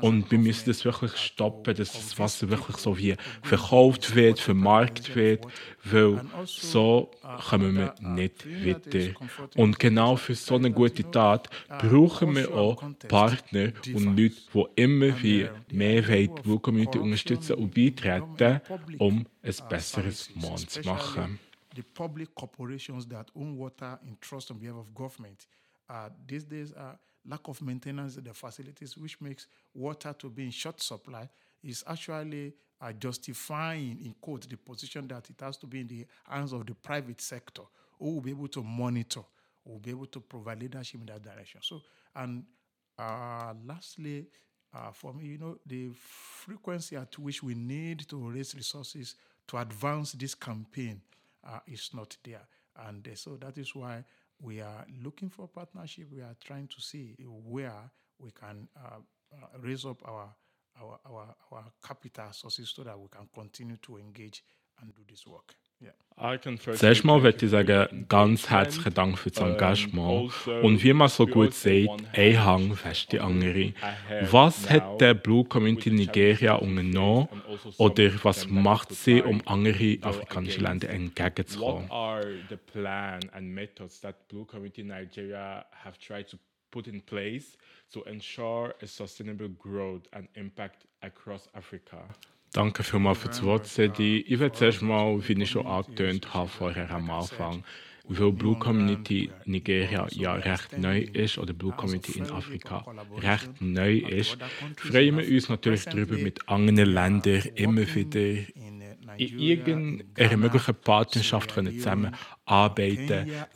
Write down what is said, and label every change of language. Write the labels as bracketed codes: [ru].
[de] Und wir müssen das wirklich stoppen, dass das Wasser wirklich so wie verkauft wird, vermarktet wird, weil so kommen wir nicht weiter. Und genau für so eine gute Tat brauchen wir auch Partner und Leute, wo immer wir mehr wollen, die Community unterstützen und beitreten, um ein besseres Mond zu machen. [en] The public corporations that own water in trust on behalf of government, these days are lack of maintenance of the facilities, which makes water to be in short supply, is actually justifying, in quote, the position that it has to be in the hands of the private sector, who will be able to monitor, who will be able to provide leadership in that direction. So, and lastly, for me, you know, the frequency at which we need to raise resources to advance this campaign is not there. And so that is why we are looking for partnership. We are trying to see where we can raise up our capital sources so that we can continue to engage and do this work. [de] Zuerst mal würde ich sagen, ganz herzlichen Dank für das Engagement. Und wie man so gut sagt, ein Hang fest die andere. Was hat der Blue Community Nigeria unternommen? Oder was macht sie, um andere afrikanische Länder entgegenzukommen? [en] What are the plans and methods that Blue Community Nigeria have tried to put in place to ensure a sustainable growth and impact across Africa? [de] Danke vielmals für das Wort, Sedi. Ich werde zuerst mal, wie ich schon angetönt habe, vorher am Anfang, weil Blue Community Nigeria ja recht neu ist, oder Blue Community in Afrika recht neu ist, freuen wir uns natürlich darüber, mit anderen Ländern immer wieder in irgendeiner möglichen Partnerschaft zusammenarbeiten können.